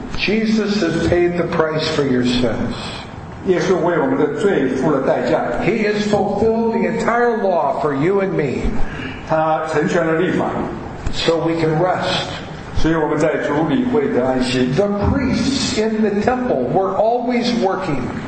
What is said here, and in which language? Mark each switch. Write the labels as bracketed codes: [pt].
[en] Jesus has paid the price for your sins. [zh] 耶稣为我们的罪付了代价。 [en] He has fulfilled the entire law for you and me. [zh] 他成全了律法。 [en] So we can rest. [zh] 所以我们在主里会得安息。 [en] The priests in the temple were always working.